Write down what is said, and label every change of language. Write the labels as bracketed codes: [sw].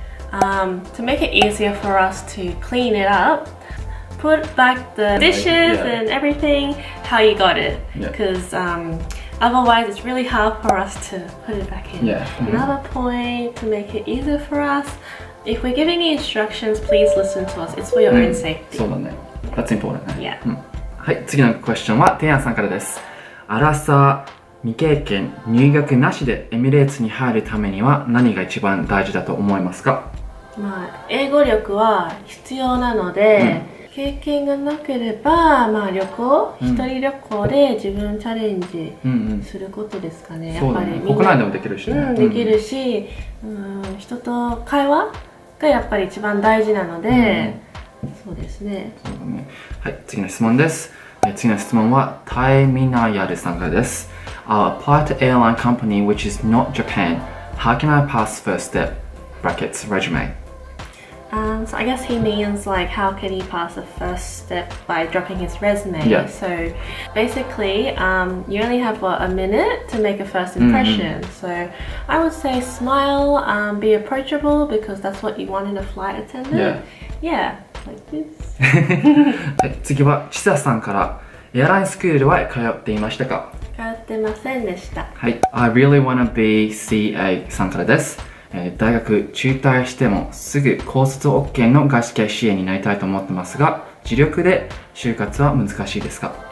[en] To make it easier for us to clean it up, put back the dishes like,、yeah. and everything how you got it. Because、 yeah. Otherwise, it's really hard for us to put it back in. Yeah.、Mm-hmm. Another point to make it easier for us, if we're giving you instructions, please listen to us. It's for your、own safety. [ja] そうだね。 [en] That's important. Yeah.、 [ja] はい、次の question は、てんやんさんからです。アラサー未経験、入学なしでエミレーツに入るためには何が一番大事だと思いますか？まあ、英語力は必要なので、経験がなければ、まあ、旅行、一人旅行で自分チャレンジすることですかね。そうだね、国内でもできるしね。できるし、人と会話がやっぱり一番大事なので、そうですね。そうだね。はい、次の質問です。次の質問はタイミナヤルさんからです。 [en] I'll apply to airline company which is not Japan. How can I pass first step? Brackets, resume. So I guess he means like how can he pass the first step by dropping his resume. Yeah. So basically, you only have what, a minute to make a first impression.、Mm-hmm. So I would say smile, be approachable because that's what you want in a flight attendant. Yeah. Like this. [ja] 次はちささんからエアラインスクールは通っていましたか? 通ってませんでした。はい。I really wanna be CA さんからです、大学中退してもすぐ高卒 OK の外資系支援になりたいと思ってますが、自力で就活は難しいですか？